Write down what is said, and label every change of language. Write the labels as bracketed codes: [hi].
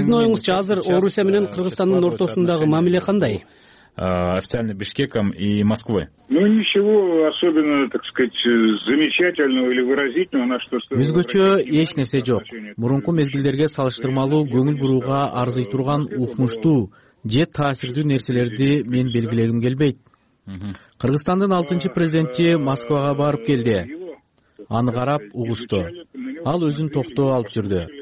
[ky] сиздин оюңузча азыр Орусия менен Кыргызстандын ортосундагы мамиле кандай? [ru] официально Бишкеком и Москвой? Ну, ничего особенно, так сказать, замечательного или выразительного на что стоит. [ky] Өзгөчө эч нерсе жок. Мурунку мезгилдерге салыштырмалуу көңүл бурууга арзый турган укмуштуу же таасирдүү нерселерди мен белгилегим келбейт. Кыргызстандын 6-чы президенти Москвага барып келди. Аны карап угушту. Ал өзүн токтоо алып жүрдү.